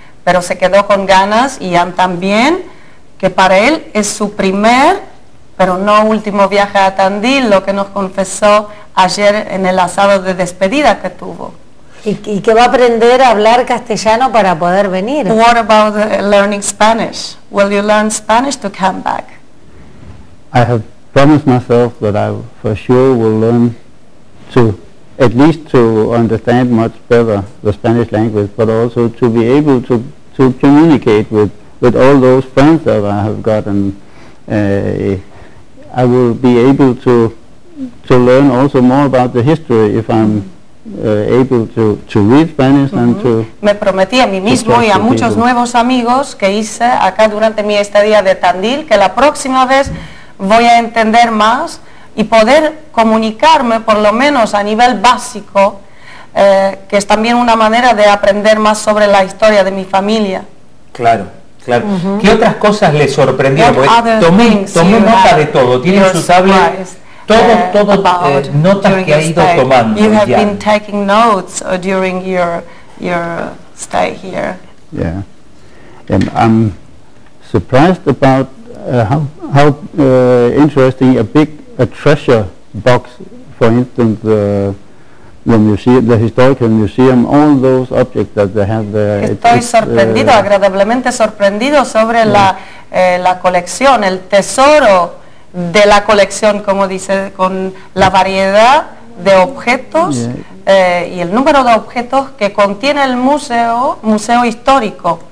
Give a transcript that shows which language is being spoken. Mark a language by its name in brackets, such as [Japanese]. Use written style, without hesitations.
[Spanish] Pero se quedó con ganas y Jan también. Que para él es su primer, pero no último viaje a Tandil, lo que nos confesó ayer en el asado de despedida que tuvo. Y que va a aprender a hablar castellano para poder venir. [English] What about learning Spanish? Will you learn Spanish to come back? I have promised myself that I for sure will learn to, at least to understand much better the Spanish language, but also to be able to communicate with all those friends that I have gotten, I will be able to learn also more about the history if I'm able to read Spanish and to... [Spanish] Me prometí a mí mismo y a muchos nuevos amigos que hice acá durante mi estadía de Tandil que la próxima vez voy a entender más y poder comunicarme por lo menos a nivel básico, que es también una manera de aprender más sobre la historia de mi familia. Claro. Claro. Uh-huh. ¿Qué otras cosas le sorprendieron? Porque tomé nota de todo. Tiene su tablet, todo notas que ha ido tomando. [English] You have been taking notes during your stay here. Yeah, and I'm surprised about how interesting a big treasure box, for instance. The museum, the historical museum, all those objects that they have there. [Spanish] Estoy sorprendido, agradablemente sorprendido sobre la colección, el tesoro de la colección, como dice, con la variedad de objetos y el número de objetos que contiene el museo histórico.